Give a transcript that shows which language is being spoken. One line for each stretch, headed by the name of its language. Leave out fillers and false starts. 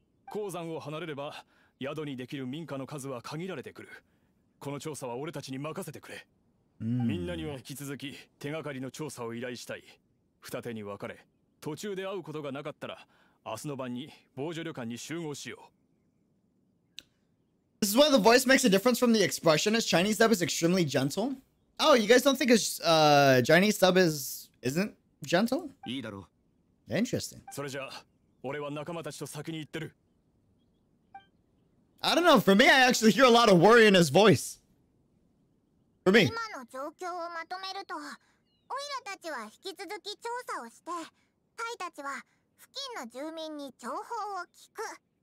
Japanese: 鉱山を離れれば宿にできる民家の数は限られてくる。この調査は俺たちに任せてくれ。みんなには引き続き手がかりの調査を依頼したい。二手に分かれ、途中で会うことがなかったら、明日の晩に防御旅館に集合しよう。
English: This is why the voice makes a difference from the expression. His Chinese dub is extremely gentle. Oh, you guys don't think his Chinese dub isn't gentle?
Japanese: いいだろう。
English: Interesting.
Japanese: それじゃあ、俺は仲間たちと先に行ってる。
English: I don't know. For me, I actually hear a lot of worry in his voice. For me.
Japanese: 今の状況をまとめると、オイラたちは引き続き調査をして、タイたちは付近の住民に情報を聞く。